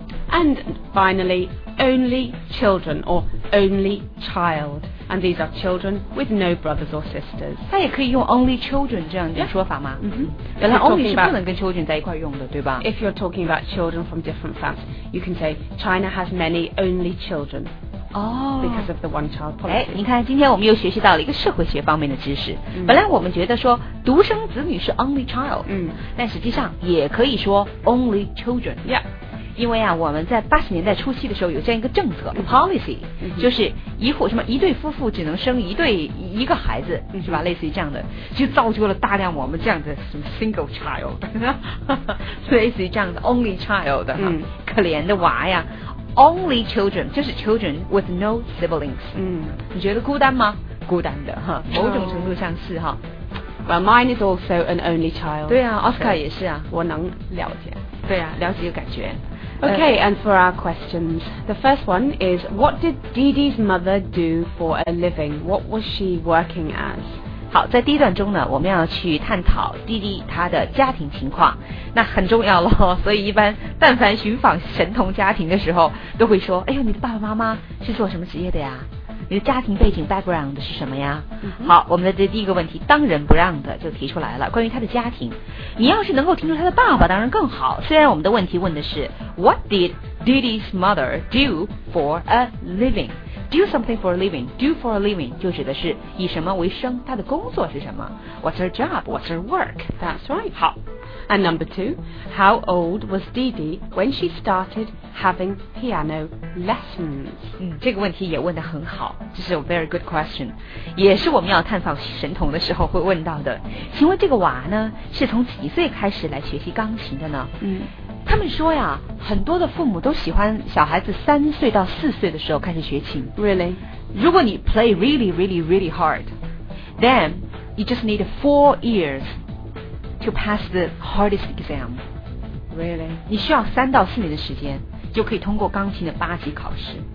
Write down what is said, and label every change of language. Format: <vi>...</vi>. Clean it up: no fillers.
<en>And finally, only children or only child. And these are children with no brothers or sisters.</en> <zh>他也可以用 only children 这样的说法吗？嗯哼。原来 only 是不能跟 children 在一块用的，对吧？</zh> <en>If you're talking about children from different families, you can say China has many only children. Oh. Because of the one-child policy.</en> <zh>哎，你看，今天我们又学习到了一个社会学方面的知识。 Mm-hmm. 本来我们觉得说独生子女是 only child. 嗯、mm-hmm.。但实际上也可以说 only children.</zh> <en>Yeah.</en> <zh>因为啊，我们在八十年代初期的时候有这样一个政策 policy、嗯、就是一户什么一对夫妇只能生一对一个孩子、嗯、是吧，类似于这样的，就造就了大量我们这样的什么 single child 类似于这样的 only child 的、嗯、可怜的娃呀，</zh> <en>only children</en> <zh>就是</zh> <en>children with no siblings、嗯、</en> <zh>你觉得孤单吗？孤单的哈，某种程度上是哈。</zh> <en>Well, mine is also an only child.</en> <zh>对啊， Oscar 也是啊，我能了解。对啊，了解有感觉。</zh> <en>Okay, and for our questions, the first one is, what did Dee Dee's mother do for a living? What was she working as?</en> <zh>好，在第一段中呢，我们要去探讨 Dee Dee 她的家庭情况，那很重要了。所以一般但凡寻访神童家庭的时候，都会说，哎呦，你的爸爸妈妈是做什么职业的呀？你的家庭背景 background 是什么呀、嗯、好，我们的这第一个问题当仁不让的就提出来了，关于他的家庭，你要是能够听出他的爸爸当然更好。虽然我们的问题问的是</zh> <en>What did Dee Dee's mother do for a living? Do something for a living.</en> <zh>Do for a living 就指的是以什么为生，他的工作是什么。</zh> <en>What's her job? What's her work? That's right.</en> <zh>好。</zh> <en>And number two, how old was Dee Dee when she startedHaving piano lessons.</en> <zh>嗯，这个问题也问得很好，这是</zh> <en>a very good question，</en> <zh>也是我们要探访神童的时候会问到的。请问这个娃呢，是从几岁开始来学习钢琴的呢？嗯，他们说呀，很多的父母都喜欢小孩子三岁到四岁的时候开始学琴。</zh> <en>Really?</en> <zh>如果你</zh> <en>play really, really, really hard, then you just need 4 years to pass the hardest exam. Really?</en> <zh>你需要三到四年的时间就可以通过钢琴的八级考试。</zh>